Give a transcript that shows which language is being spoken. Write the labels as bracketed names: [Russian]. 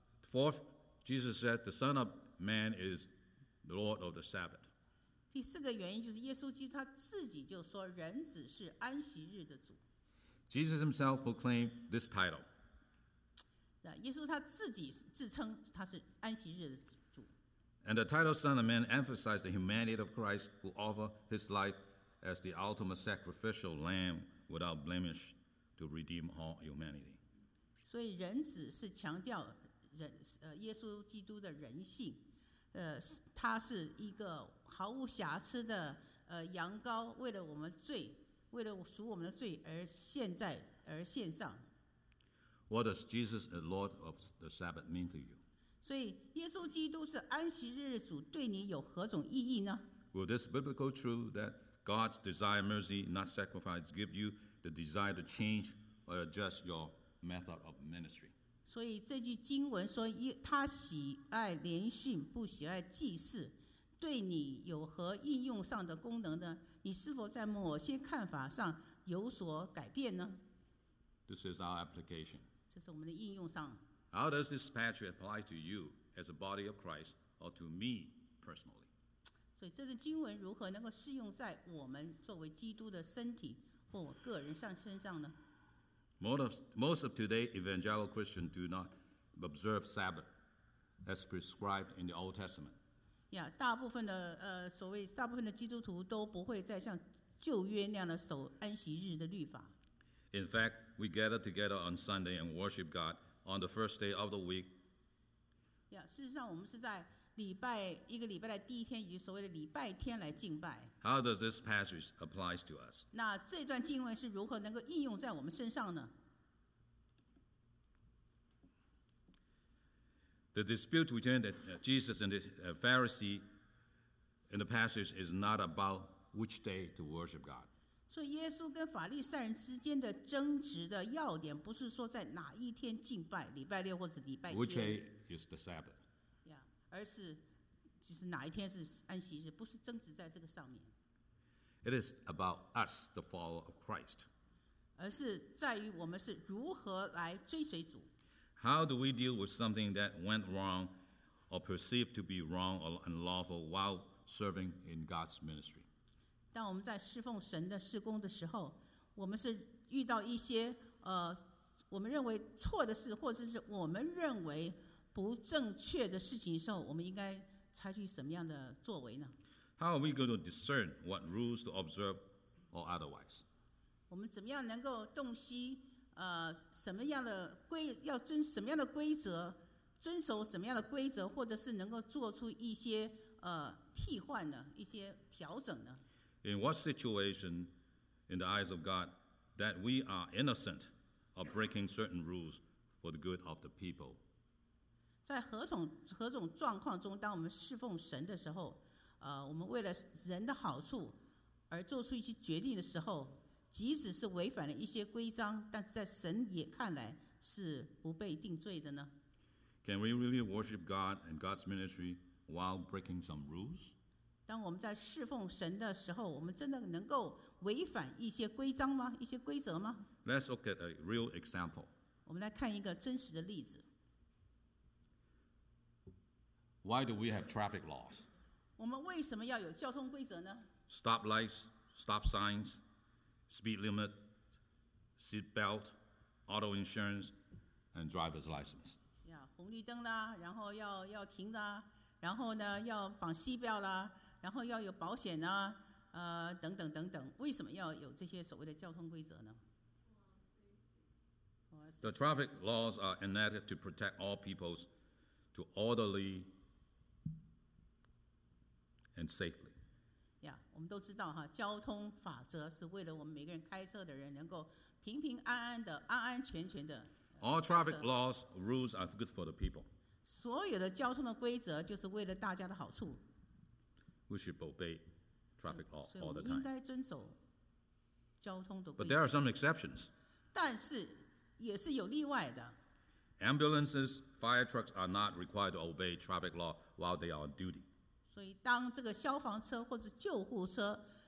[English] Fourth, Jesus said, the Son of Man is the Lord of the Sabbath. [Chinese] 第四个原因就是耶稣基督他自己就说人子是安息日的主。 [English] Jesus himself proclaimed this title. [Chinese] 耶稣他自己自称他是安息日的主。 [English] And the title Son of Man emphasized the humanity of Christ who offered his life as the ultimate sacrificial lamb without blemish to redeem all humanity. [Chinese] 所以人子是强调人耶稣基督的人性，他是一个毫无瑕疵的羊羔，为了我们罪，为了赎我们的罪而献在而献上。 [English] What does Jesus, the Lord of the Sabbath, mean to you? [Chinese] 所以耶稣基督是安息日主，对你有何种意义呢 [English] ？Will this biblical truth that God's desire mercy, not sacrifice, give you the desire to change or adjust your method of ministry? [Chinese] 所以这句经文说，他喜爱连续，不喜爱祭祀，对你有何应用上的功能呢？你是否在某些看法上有所改变呢 [English] ？This is our application. [Chinese] 这是我们的应用上。 [English] How does this passage apply to you as a body of Christ or to me personally? [Chinese] 所以这段经文如何能够适用在我们作为基督的身体或我个人上身上呢？ [English] Most of today evangelical Christians do not observe Sabbath as prescribed in the Old Testament. [Chinese] Yeah, 大部分的所谓大部分的基督徒都不会再像旧约那样的守安息日的律法。 [English] In fact, we gather together on Sunday and worship God. On the first day of the week. [Chinese] Yeah, 事实上我们是在礼拜一个礼拜的第一天以及所谓的礼拜天来敬拜。 [English] How does this passage apply to us? [Chinese] 那这段经文是如何能够应用在我们身上呢 [English] The dispute between Jesus and the Pharisee in the passage is not about which day to worship God. [Chinese] 所以耶稣跟法利赛人之间的争执的要点不是说在哪一天敬拜礼拜六或者礼拜天 [English] Which day is the Sabbath? [Chinese] Yeah, 而是就是哪一天是安息日不是争执在这个上面 [English] It is about us, the follower of Christ [Chinese] 而是在于我们是如何来追随主 [English] How do we deal with something that went wrong or perceived to be wrong or unlawful while serving in God's ministry? [Chinese] 当我们在侍奉神的事工的时候，我们是遇到一些我们认为错的事，或者是我们认为不正确的事情的时候，我们应该采取什么样的作为呢 [English] ？How are we going to discern what rules to observe or otherwise？ [Chinese] 我们怎么样能够洞悉什么样的规要遵什么样的规则，遵守什么样的规则，或者是能够做出一些替换呢，一些调整呢？ [English] In what situation, in the eyes of God, that we are innocent of breaking certain rules for the good of the people? [Chinese] 在何种状况中，当我们侍奉神的时候，我们为了人的好处而做出一些决定的时候，即使是违反了一些规章，但是在神也看来是不被定罪的呢？ [English] Can we really worship God and God's ministry while breaking some rules? [Chinese] 当我们在侍奉神的时候，我们真的能够违反一些规章吗？一些规则吗 [English] ？Let's look at a real example. [Chinese] 我们来看一个真实的例子。 [English] Why do we have traffic laws? [Chinese] 我们为什么要有交通规则呢 [English] ？Stop lights, stop signs, speed limit, seat belt, auto insurance, and driver's license. [Chinese] 呀，红绿灯啦，然后要停啦，然后呢要绑西标啦。然后要有保险啊，等等等等，为什么要有这些所谓的交通规则呢 [English] ？The traffic laws are enacted to protect all peoples to orderly and safely. [Chinese] Yeah, 我们都知道哈，交通法则是为了我们每个人开车的人能够平平安安的、安安全全的。 [English] All traffic laws rules are good for the people. [Chinese] 所有的交通的规则就是为了大家的好处。 [English] We should obey traffic law all the time. [Chinese] 所以应该遵守交通的规则。 [English] But there are some exceptions. [Chinese] 但是也是有例外的。 [English] Ambulances, fire trucks are not required to obey traffic law while they are on duty. [Chinese] 所以当这个消防车或者救护车